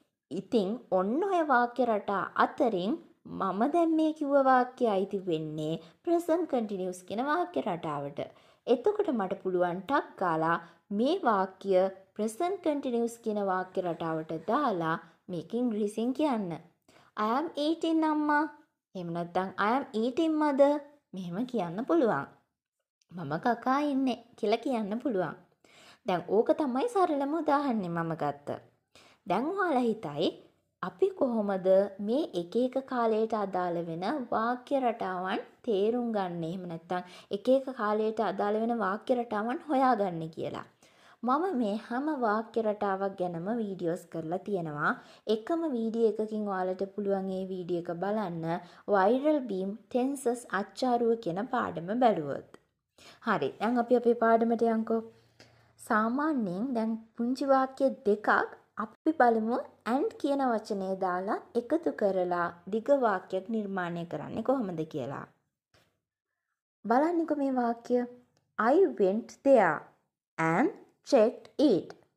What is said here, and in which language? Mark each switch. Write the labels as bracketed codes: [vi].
[si] ඉතින් ඔන්න ඔය වාක්‍ය රටා අතරින් මම දැන් මේ කිව්ව වාක්‍යය අයිති වෙන්නේ ප්‍රසන්ට් කන්ටිනියුස් කියන වාක්‍ය රටාවට. එතකොට මට පුළුවන් ටක් ගාලා මේ වාක්‍ය ප්‍රසන්ට් කන්ටිනියුස් කියන වාක්‍ය රටාවට දාලා මේක ඉංග්‍රීසියෙන් කියන්න. [en] I am eating අම්මා. [si] එහෙම නැත්නම් [en] I am eating mother. [si] මෙහෙම කියන්න පුළුවන්. මම කකා ඉන්නේ කියලා කියන්න පුළුවන්. දැන් ඕක තමයි සරලම උදාහරණේ මම ගත්ත. දැන් ඔයාලා හිතයි අපි කොහොමද මේ එක එක කාලයට අදාළ වෙන වාක්‍ය රටාවන් තේරුම් ගන්නේ? එහෙම නැත්නම් එක එක කාලයට අදාළ වෙන වාක්‍ය රටාවන් හොයාගන්නේ කියලා. මම මේ හැම වාක්‍ය රටාවක් ගැනම වීඩියෝස් කරලා තියෙනවා. එකම වීඩියෝ එකකින් ඔයාලට පුළුවන් ඒ වීඩියෝ එක බලන්න වෛරල් බීම් ටෙන්සස් අච්චාරුව කියන පාඩම බැලුවොත්. හරි, දැන් අපි අපේ පාඩමට යන්කෝ. සාමාන්‍යයෙන් දැන් පුංචි වාක්‍ය දෙකක් අපි බලමු and කියන වචනේ දාලා එකතු කරලා දිග වාක්‍යයක් නිර්මාණය කරන්නේ කොහොමද කියලා. බලන්නකෝ මේ වාක්‍ය. [en] I went there and checked it.